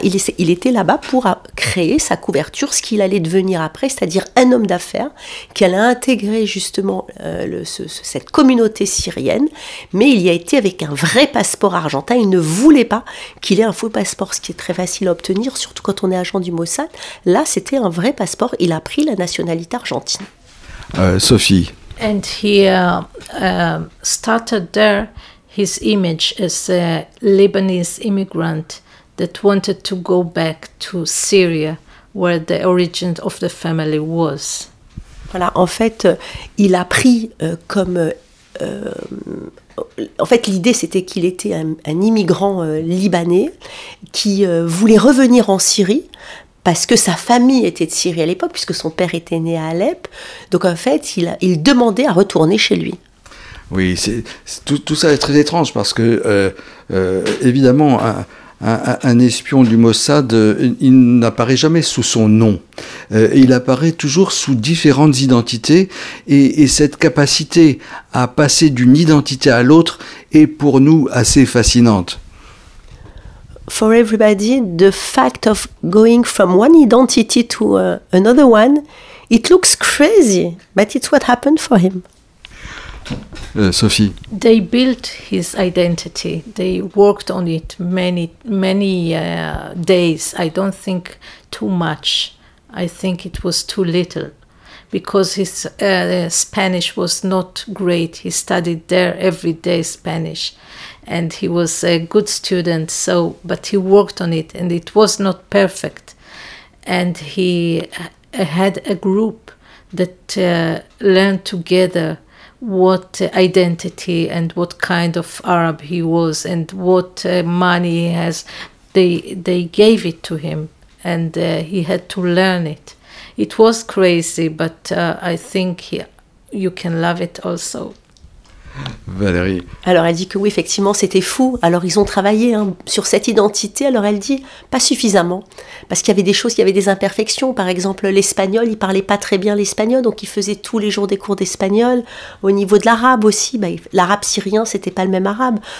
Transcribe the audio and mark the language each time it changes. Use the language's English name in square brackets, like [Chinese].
[French] Il était là-bas pour créer sa couverture, ce qu'il allait devenir après, c'est-à-dire un homme d'affaires qui allait intégrer justement cette communauté syrienne. Mais il y a été avec un vrai passeport argentin. Il ne voulait pas qu'il ait un faux passeport, ce qui est très facile à obtenir, surtout quand on est agent du Mossad. Là, c'était un vrai passeport. Il a pris la nationalité argentine. Sophie. [English] And he started there his image as a Lebanese immigrant that wanted to go back to Syria, where the origin of the family was. [French] Voilà, en fait, il a pris comme... en fait, l'idée, c'était qu'il était un immigrant libanais qui voulait revenir en Syrie, parce que sa famille était de Syrie à l'époque, puisque son père était né à Alep. Donc en fait, il demandait à retourner chez lui. Oui, tout ça est très étrange, parce que, évidemment, un espion du Mossad, il n'apparaît jamais sous son nom. Il apparaît toujours sous différentes identités, et cette capacité à passer d'une identité à l'autre est pour nous assez fascinante. [English] For everybody, the fact of going from one identity to another one, it looks crazy, but it's what happened for him. Sophie. They built his identity. They worked on it many, many days. I don't think too much. I think it was too little, because his Spanish was not great. He studied there every day Spanish. And he was a good student, but he worked on it, and it was not perfect. And he had a group that learned together what identity and what kind of Arab he was and what money he has. They gave it to him, and he had to learn it. It was crazy, but I think you can love it also. [French] Valérie. Alors elle dit que oui, effectivement, c'était fou. Alors ils ont travaillé hein, sur cette identité. Alors elle dit, pas suffisamment, parce qu'il y avait des choses, il y avait des imperfections. Par exemple, l'espagnol, il parlait pas très bien l'espagnol, donc il faisait tous les jours des cours d'espagnol. Au niveau de l'arabe aussi, bah, l'arabe syrien, c'était pas le même arabe.